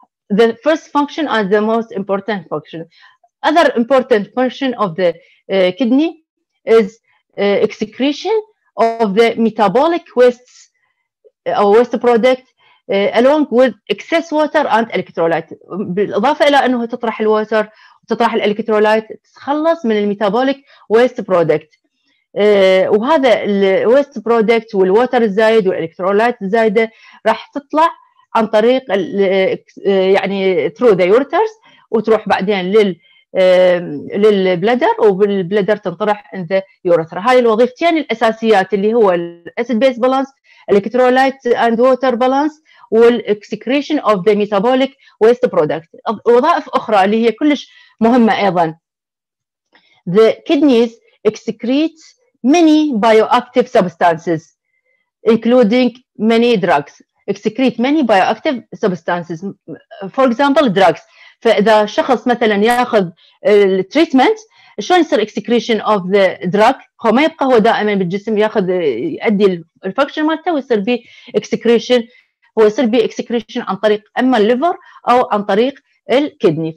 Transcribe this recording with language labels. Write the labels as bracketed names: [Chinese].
[English] The first function and the most important function. Other important function of the kidney is excretion of the metabolic wastes or waste product. Along with excess water and electrolyte. [Arabic] بالإضافة إلى أنه تطرح الواتر وتطرح الالكترولايت تتخلص من الميتابوليك ويست برودكت. وهذا الويست برودكت والواتر الزايد والالكترولايت الزايدة راح تطلع عن طريق يعني [English] through the ureters [Arabic] وتروح بعدين للبلدر وبالبلدر تنطرح [English] in the urethra. [Arabic] هاي الوظيفتين الأساسيات اللي هو [English] acid base balance, electrolyte and water balance والexcretion of the metabolic waste product. [Arabic] وظائف أخرى اللي هي كلش مهمة أيضا. [English] The kidneys excrete many bioactive substances including many drugs. Excrete many bioactive substances. For example drugs. [Arabic] فإذا شخص مثلا يأخذ treatment شلون يصير [English] excretion of the drug؟ [Arabic] هو ما يبقى هو دائما بالجسم يأخذ يؤدي الفاكشن مالته ويصير به excretion. هو يصير بي excretion عن طريق أما الليفر أو عن طريق الكيدني.